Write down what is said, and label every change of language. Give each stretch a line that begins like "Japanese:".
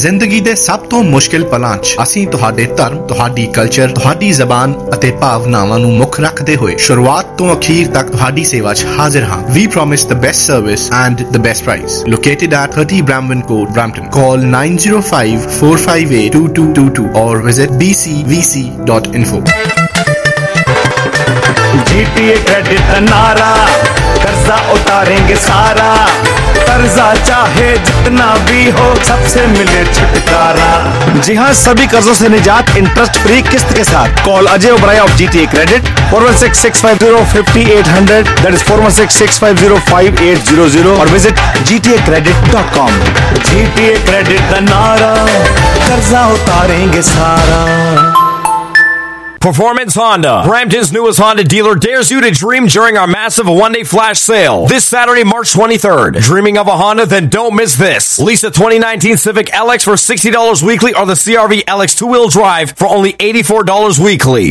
Punjabi: ਜ਼ਿੰਦਗੀ ਦੇ ਸਭ ਤੋਂ ਮੁਸ਼ਕਿਲ ਪਲਾਂ 'ਚ ਅਸੀਂ ਤੁਹਾਡੇ ਧਰਮ, ਤੁਹਾਡੀ ਕਲਚਰ, ਤੁਹਾਡੀ ਜ਼ਬਾਨ ਅਤੇ ਭਾਵਨਾਵਾਂ ਨੂੰ ਮੁੱਖ ਰੱਖਦੇ ਹੋਏ ਸ਼ੁਰੂਆਤ ਤੋਂ ਅਖੀਰ ਤੱਕ ਤੁਹਾਡੀ ਸੇਵਾ 'ਚ ਹਾਜ਼ਰ ਹਾਂ।
English: We promise the best service and the best price. Located at 30 Brampton court, Brampton. Call 905-458-2222
Hindi: ਔਰ
English: Visit bcvc.info।
Hindi: GTA क्रेडिट नारा, कर्जा उतारेंगे सारा, कर्जा चाहे जितना भी हो सबसे मिले छुटकारा। जी हाँ, सभी कर्जों से निजात इंटरेस्ट फ्री किस्त के साथ। Call Ajay O'Brien of GTA credit 416-650-5800,
English: that is
Hindi: 416-650-5800, और विजिट gtacredit.com। GTA क्रेडिट नारा, कर्जा उतारेंगे सारा।
English: Performance Honda, Brampton's newest Honda dealer, dares you to dream during our massive one-day flash sale this Saturday, March 23rd. Dreaming of a Honda? Then don't miss this. Lease a 2019 Civic LX for $60 weekly or the CR-V LX two-wheel drive for only $84 weekly.